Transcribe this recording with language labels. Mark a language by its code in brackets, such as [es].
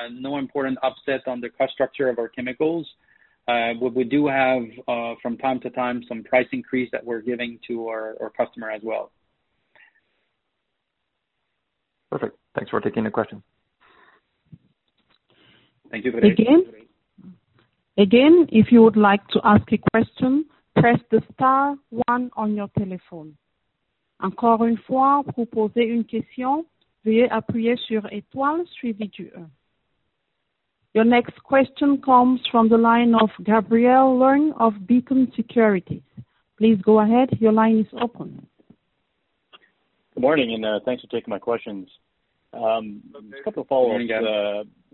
[en] No important upset on the cost structure of our chemicals. But we do have, from time to time, some price increase that we're giving to our customer as well. Perfect. Thanks for taking the question. Thank you. Again, if you would like to ask a question, press the star 1 on your telephone. [fr] Encore une fois, pour poser une question, veuillez appuyer sur étoile suivi du 1. [en] Your next question comes from the line of Gabrielle Leung of Beacon Securities. Please go ahead. Your line is open. Good morning, and thanks for taking my questions. A couple of follow-ups. Morning, Gabby.